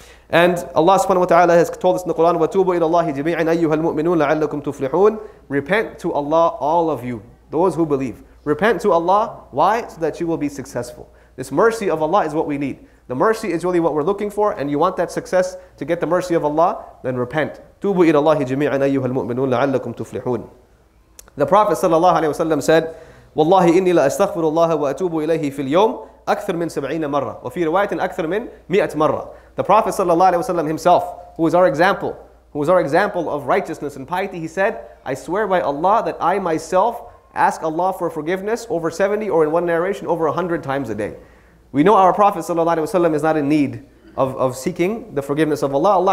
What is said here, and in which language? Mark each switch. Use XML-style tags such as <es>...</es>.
<en>And Allah subhanahu wa ta'ala has told us in the Quran,</en> <ar>وَتُوبُوا إِلَى اللَّهِ جَمِيعًا أَيُّهَا الْمُؤْمِنُونَ لَعَلَّكُمْ تُفْلِحُونَ.</ar> <en>Repent to Allah, all of you, those who believe. Repent to Allah, why? So that you will be successful. This mercy of Allah is what we need. The mercy is really what we're looking for, and you want that success to get the mercy of Allah, then repent.</en> <ar>تُوبُوا إِلَى اللَّهِ جَمِيعًا أَيُّهَا الْمُؤْمِنُونَ لَعَلَّكُمْ تُفْلِحُونَ.</ar> <en>The Prophet sallallahu alaihi wasallam said,</en> <ar>وَاللَّهِ إِنِّي لَأَسْتَغْفِرُ اللَّهَ وَأَتُوبُ إِلَيْهِ فِي الْيَوْمِ أَكْثَرْ مِنْ سَبْعِينَ مَرَّةٍ وَفِي رِوَايَةٍ أَكْثَرْ مِنْ مِئَةٍ مَرَّةٍ.</ar> <en>The Prophet sallallahu alaihi wasallam himself, who is our example of righteousness and piety, he said, I swear by Allah that I myself ask Allah for forgiveness over 70, or in one narration, over 100 times a day. We know our Prophet sallallahu alaihi wasallam is not in need of seeking the forgiveness of Allah.</en>